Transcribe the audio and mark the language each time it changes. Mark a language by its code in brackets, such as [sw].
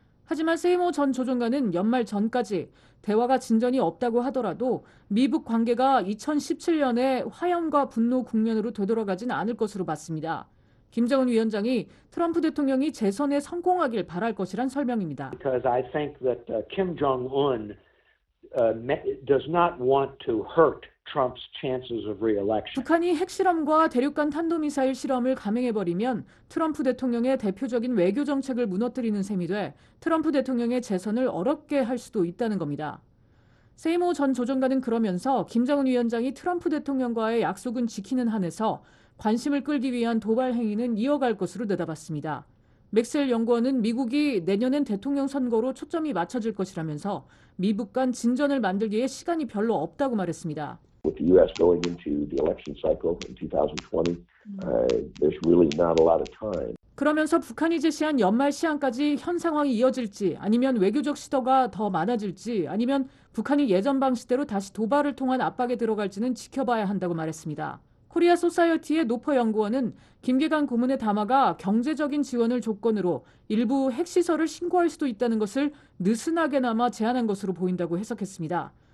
[ko] 하지만 세이모 전 조정관은 연말 전까지 대화가 진전이 없다고 하더라도 미북 관계가 2017년에 화염과 분노 국면으로 되돌아가진 않을 것으로 봤습니다. 김정은 위원장이 트럼프 대통령이 재선에 성공하길 바랄 것이란 설명입니다. [en] Because I think that Kim Jong-un does not want to hurt Trump's chances of re-election. [ko] 북한이 핵실험과 대륙간 탄도미사일 실험을 감행해버리면 트럼프 대통령의 대표적인 외교 정책을 무너뜨리는 셈이 돼 트럼프 대통령의 재선을 어렵게 할 수도 있다는 겁니다. 세이모 전 조정관은 그러면서 김정은 위원장이 트럼프 대통령과의 약속은 지키는 한에서 관심을 끌기 위한 도발 행위는 이어갈 것으로 내다봤습니다. 맥스웰 연구원은 미국이 내년엔 대통령 선거로 초점이 맞춰질 것이라면서 미북 간 진전을 만들기에 시간이 별로 없다고 말했습니다. [en] With the U.S. going into the election cycle in 2020, there's really not a lot of time. [ko] 그러면서 북한이 제시한 연말 시한까지 현 상황이 이어질지 아니면 외교적 시도가 더 많아질지 아니면 북한이 예전 방식대로 다시 도발을 통한 압박에 들어갈지는 지켜봐야 한다고 말했습니다. 코리아 소사이어티의 노퍼 연구원은 김계관 고문의 담화가 경제적인 지원을 조건으로 일부 핵시설을 신고할 수도 있다는 것을 느슨하게나마 제안한 것으로 보인다고 해석했습니다.